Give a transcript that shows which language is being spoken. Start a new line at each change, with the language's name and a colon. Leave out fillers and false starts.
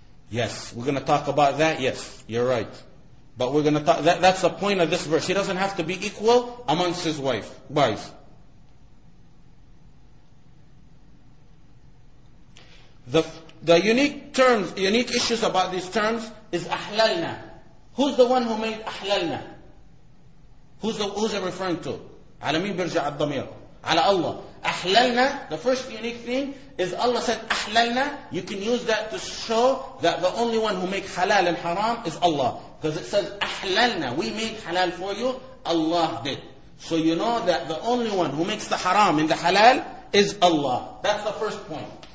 English: Yes, we're going to talk about that. Yes, you're right. But we're going to talk, that's the point of this verse. He doesn't have to be equal amongst his wives. The unique terms, unique issues about these terms is أحللنا. Who's the one who made أحللنا? Who's it referring to?
Arabic: على مين برجع الضمير؟ على الله.
English: أحللنا, the first unique thing is Allah said أحللنا. You can use that to show that the only one who makes halal and haram is Allah. Because it says أحللنا, we made halal for you, Allah did. So you know that the only one who makes the haram and the halal is Allah. That's the first point.